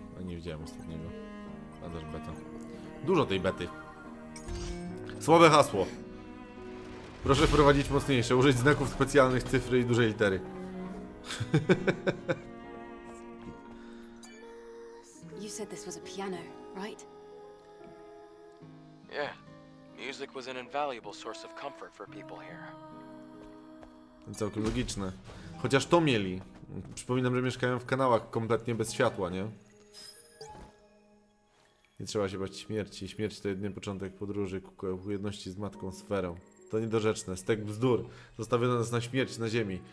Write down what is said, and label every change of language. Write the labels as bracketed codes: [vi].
[pl] A nie widziałem ostatniego. A też beta. Dużo tej bety. Słabe hasło. Proszę wprowadzić mocniejsze, użyć znaków specjalnych, cyfry i dużej litery. [en] You said this was a piano, right? Yeah. Music was an invaluable source of comfort for people here. [pl] Całkiem logiczne. Chociaż to mieli. Przypominam, że mieszkają w kanałach kompletnie bez światła, nie? Nie trzeba się bać śmierci. Śmierć to jedyny początek podróży ku jedności z matką sferą. To niedorzeczne. Stek bzdur. Zostawiono nas na śmierć na ziemi.